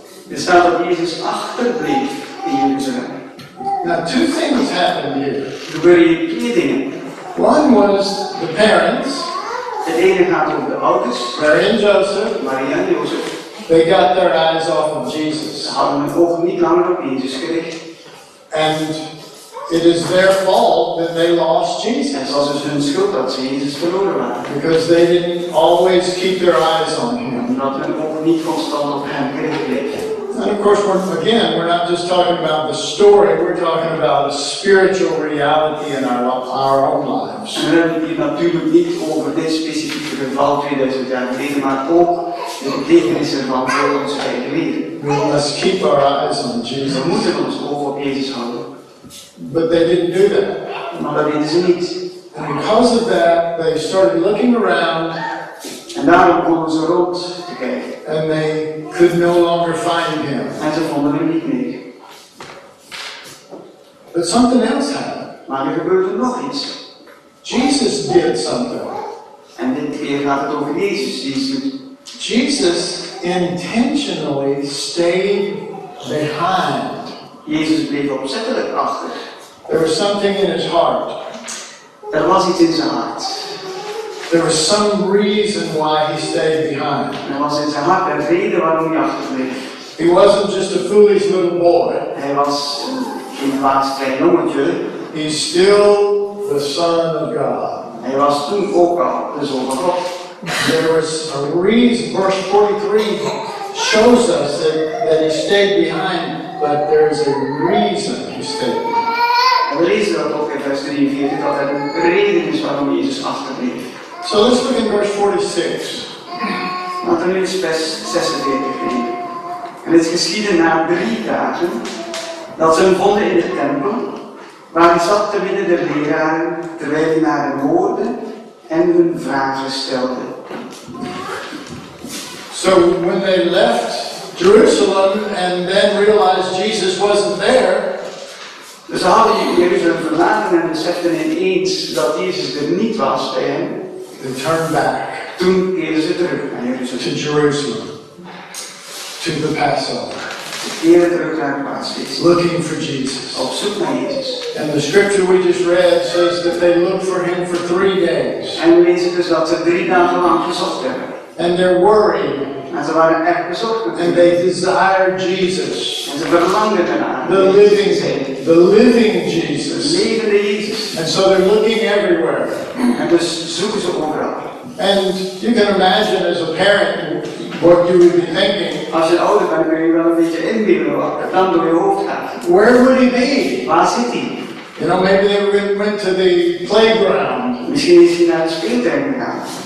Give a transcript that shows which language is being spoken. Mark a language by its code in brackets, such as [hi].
[nl] Er staat dat Jezus achterbleef in Jeruzalem. [en] Now two things happened here. [nl] Er gebeurde hier twee dingen. [en] One was the parents. [nl] Het ene gaat over de ouders. Mary en Joseph. Maria en Joseph. [en] They got their eyes off of Jesus. [nl] Ze hadden hun ogen niet langer op Jezus gericht. [en] And it is their fault that they lost Jesus. [nl] Het was hun schuld dat ze Jezus verloren waren. [en] Because they didn't always keep their eyes on him. [nl] Omdat hun ogen niet constant op hem gericht bleef. [en] And of course, we're not just talking about the story, we're talking about a spiritual reality in our own lives. [nl] We hebben hier natuurlijk niet over dit specifieke geval 2000 jaar geleden, maar ook de betekenissen van voor ons eigen leven. [en] We must keep our eyes on Jesus. [nl] We moeten ons oog op Jezus houden. [en] But they didn't do that. [nl] Maar dat deden ze niet. [en] And because of that, they started looking around. [nl] En daarom konden ze rond te kijken. [en] And they could no longer find him. [nl] En ze vonden hem niet meer. [en] But something else happened. [nl] Maar er gebeurde nog iets. [en] Jesus did something. [nl] En dit keer gaat het over Jezus. [en] Jesus intentionally stayed behind. [nl] Jezus bleef opzettelijk achter. [en] There was something in his heart. [nl] Er was iets in zijn hart. [en] There was some reason why he stayed behind. [nl] Er was in zijn hart een reden waarom hij achterbleef. [en] He wasn't just a foolish little boy. [nl] Hij was geen dwaas klein jongetje. [en] He's still the son of God. [nl] Hij was toen ook al de zoon van God. [en] There was a reason. Verse 43 shows us that he stayed behind, but there is a reason he stayed behind. [nl] Er is dat ook in vers 43 dat er een reden is waarom Jezus achterbleef. [en] So let's look in verse 46. [nl] Matthäus 46. En het geschiedde na 3 dagen dat ze hem vonden in de tempel, waar hij zat te midden der leraren, terwijl hij naar hen hoorde en hun vragen stelde. [en] So when they left Jerusalem and then realized Jesus wasn't there. [nl] Dus ze hadden Jeruzalem verlaten en beseften ineens dat Jezus er niet was bij hen. [en] And turn back. [nl] Toen keerden ze terug naar Jeruzalem. [en] To Jerusalem. To the Passover. [nl] Ze keerden terug naar Paasfeest. [en] Looking for Jesus. [nl] Op zoek naar Jezus. [en] And the scripture we just read says that they looked for him for 3 days. [nl] En we lezen dus dat ze 3 dagen lang gezocht hebben. [en] And they're worried. [nl] En ze waren echt bezorgd. [en] And they desire Jesus. [nl] En ze verlangen ernaar. [en] The living thing. The living Jesus. [nl] De levende Jezus. [en] And so they're looking everywhere. [nl] En dus zoeken ze overal. [en] And you can imagine as a parent what you would be thinking. [nl] Als je ouder bent, kun je wel een beetje inbeelden wat er dan door je hoofd gaat. [en] Where would he be? [nl] Waar zit hij? [en] You know, maybe they went to the playground. [nl] Misschien is hij naar de speeltuin gegaan.